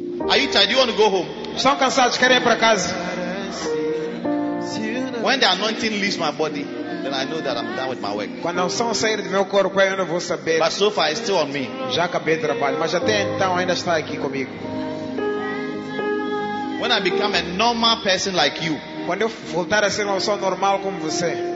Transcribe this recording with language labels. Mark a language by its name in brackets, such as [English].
[English] Are you tired? You want to go home? [Portuguese] Estão cansados? Querem ir para casa? [English] When the anointing leaves my body, then I know that I'm done with my work. [Portuguese] Quando a unção sair do meu corpo, eu não vou saber. [English] But so far, it's still on me. [Portuguese] Já acabei o trabalho, mas até então ainda está aqui comigo. [English] When I become a normal person like you, [Portuguese] quando eu voltar a ser uma pessoa normal como você,